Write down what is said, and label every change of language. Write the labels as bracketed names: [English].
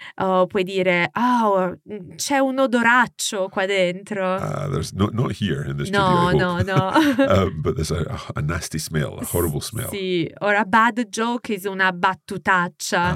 [Italian] O puoi dire, oh, c'è un odoraccio qua dentro. [English] There's no, not here in the studio. No. But there's a nasty smell, a horrible smell. Sì, or a bad joke is una battutaccia.